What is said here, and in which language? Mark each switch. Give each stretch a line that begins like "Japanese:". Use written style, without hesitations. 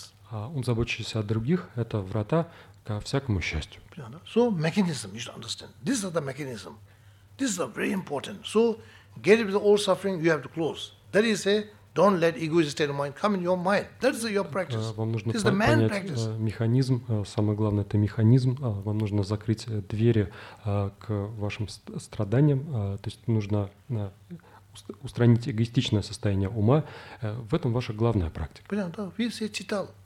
Russian: А ум, заботящийся о других – это врата ко всякому счастью.
English: So, mechanism, you should understand. This is the mechanism. This is very important. So, get rid of all suffering, you have to close. That is a don't let egoistic state of mind come in your mind. That is your practice.
Russian: Вам нужно понять механизм, самое главное, это механизм. Вам нужно закрыть двери к вашим страданиям. То есть нужно устранить эгоистичное состояние ума. В этом ваша главная практика. Понятно, вы все читал.